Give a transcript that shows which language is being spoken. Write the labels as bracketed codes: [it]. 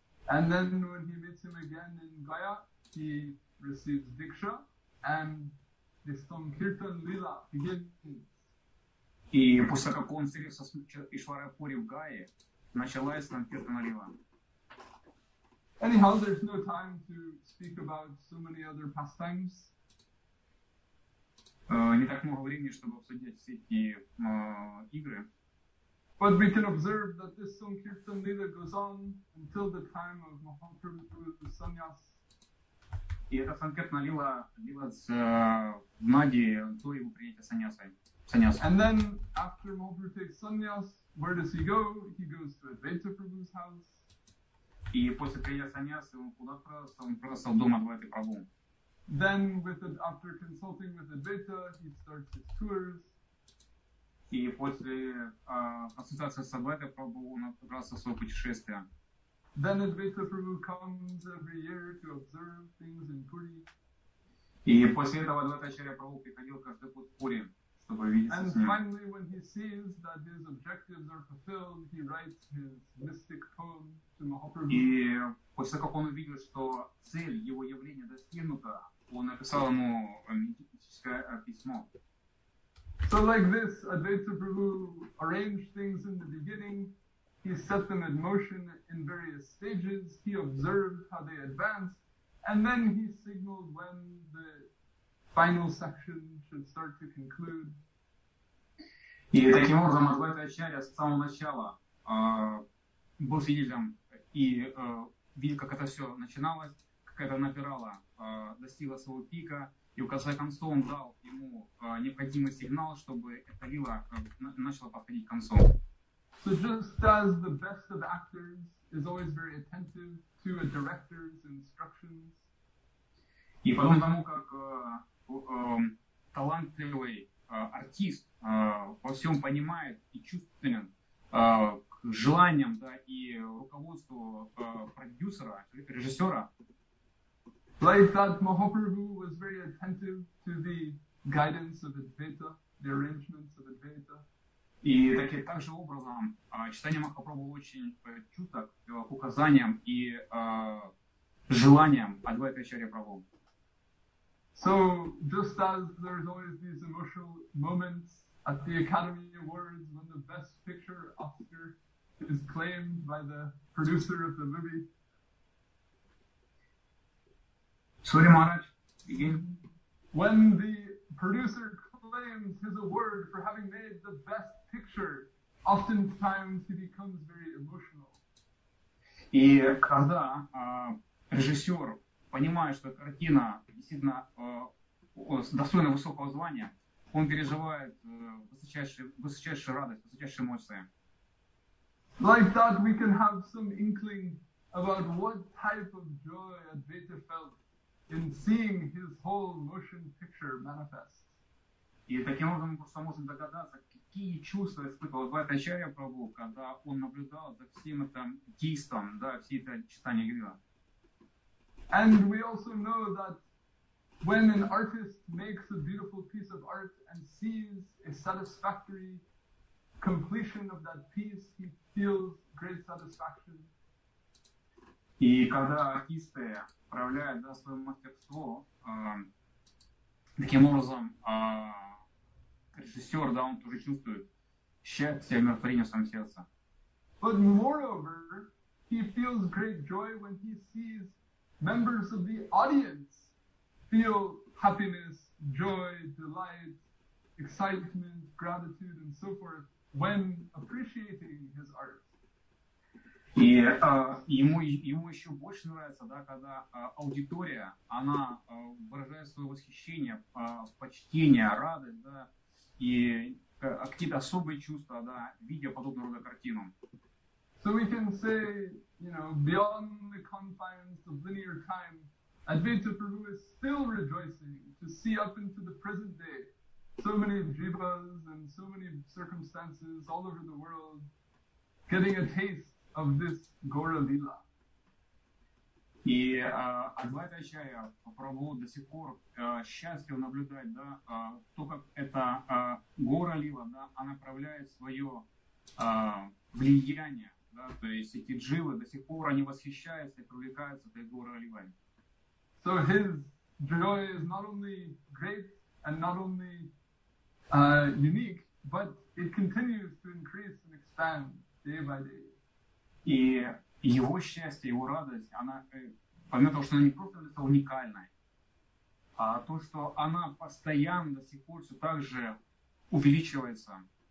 [en] And then when he meets him again in Gaya, he receives diksha and the Sankirtan Lila begins. [ru] И после как он встретился с Ишварапури в Гае, началась Санкиртана Лила. [en] Anyhow, there's no time to speak about so many other pastimes. [ru] Не так много времени, чтобы обсудить все эти игры. [en] But we can observe that this Sankirtan Lila goes on until the time of Mahaprabhu's sannyas. [ru] И эта Санкиртана Лила длилась в Наде до его принятия саньясы. [en] And then, after Mahaprabhu takes sannyas, where does he go? He goes to Advaita Prabhu's house. [ru] И после принятия саньясы он куда отправился? Он отправился в дом Адвайты Прабху. [en] Then, after consulting with Advaita, he starts his tours. [ru] И после консультации с Адвайтой Прабху он отправился в свое путешествие. [en] Then Advaita Prabhu comes every year to observe things in Puri. [ru] И после этого Адвайтачарья Прабху приходил каждый год в Пури. [en] And finally, when he sees that his objectives are fulfilled, he writes his mystic poem to Mahaprabhu. [ru] И после как он увидел, что цель его явления достигнута, он написал ему мистическое письмо. [en] So like this, Advaita Prabhu arranged things in the beginning. He set them in motion in various stages. He observed how they advanced, and then he signaled when the final section should start to conclude. [ru] И таким образом Адвайта Ачарья с самого начала был свидетелем и видел, как это все начиналось, как это набирало, достигло своего пика, и в конце концов он дал ему необходимый сигнал, чтобы эта лила начала подходить к концу. [en] So just as the best of actors is always very attentive to a director's instructions. [ru] И потом тому, как талантливый артист во всем понимает и чувствителен к желаниям, да, и руководству продюсера, режиссера. [en] Like that, Mahaprabhu was very attentive to the guidance of Advaita, the arrangements of Advaita. [ru] И так же образом читание Махапрабху очень чуто к указаниям и желаниям Адвайты Ачарьи Прабху. [en] So, just as there's always these emotional moments at the Academy Awards when the Best Picture Oscar is claimed by the producer of the movie. Sorry, Maharaj, again. When the producer claims his award for having made the best picture, oftentimes he becomes very emotional. [ru] И когда режиссер понимает, что картина действительно достойно высокого звания, он переживает высочайшую радость, высочайшие эмоции. [en] Like that, we can have some inkling about what type of joy Advaita felt in seeing his whole motion picture manifest. [ru] И таким образом мы просто можем догадаться, какие чувства испытывал Адвайта Ачарья Прабху, когда он наблюдал за всем этим действом, да, все это читание Лилы. [en] And we also know that when an artist makes a beautiful piece of art and sees a satisfactory completion of that piece, he feels great satisfaction. [ru] И когда артисты проявляют, да, свое мастерство, таким образом режиссер, да, он тоже чувствует счастье и умиротворение в своем сердце. [en] But moreover, he feels great joy when he sees members of the audience feel happiness, joy, delight, excitement, gratitude, and so forth when appreciating his art. [ru] И ему еще больше нравится, да, когда аудитория, она выражает свое восхищение, почтение, радость, да, и какие-то особые чувства, да, видя подобного рода картину. [en] So we can say, you know, beyond the confines of linear time, Advaita Prabhu is still rejoicing to see up into the present day so many jivas and so many circumstances all over the world getting a taste of this Gaura Lila. [ru] И Адвайта Ачарья Прабху до сих пор счастлив наблюдать, да, то, как эта Гаура Лила, да, она проявляет свое влияние. Да, то есть эти дживы до сих пор они восхищаются и привлекаются этой Гаура Лилой. [en] So his joy is not only great and not only unique, but it continues to increase and expand day by day. [ru] И его счастье, его радость, она помимо того, что она не просто это уникальная, а то, что она постоянно до сих пор все так же увеличивается.